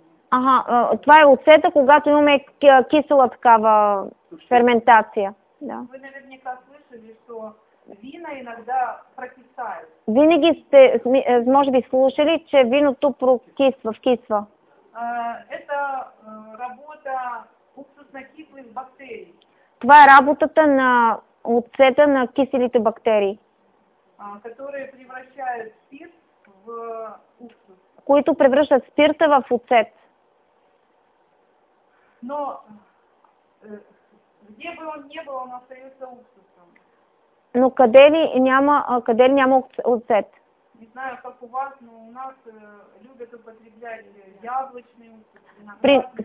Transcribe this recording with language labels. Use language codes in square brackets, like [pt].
[bg] Ага, това е оцета, когато имаме кисела такава ферментация. Да. [ru] Вы наверняка слышали, что вина иногда прокисает. [bg] Винаги сте, може би, слушали, че виното прокисва, вкисва. [ru] Это работа уксусно-кислых бактерий. [bg] Това е работата на оцета на киселите бактерии. [ru] Которые превращают спирт в уксус. [bg] Които превръщат спирта в оцет. [ru] Но где бы он не был, он остается уксусом. [bg] Но къде ли няма оцет? [ru] Не знаю, как у вас, но у нас любят употреблять яблочный уксус.